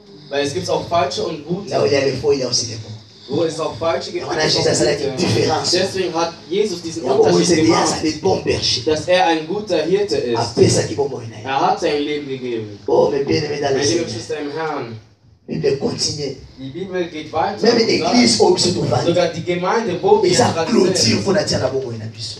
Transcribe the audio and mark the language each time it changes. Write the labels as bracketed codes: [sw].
[de] weil es gibt auch falsche und gute, wo [fr] Voilà, Jésus a cette différence. [de] Deswegen hat Jesus diesen Unterschied gemacht, dass er ein guter Hirte ist. Er hat sein Leben gegeben. Oh, meine Lieben, im Herrn. Die Bibel geht weiter. [fr] Même [de] sogar die Gemeinde, wo wir sind,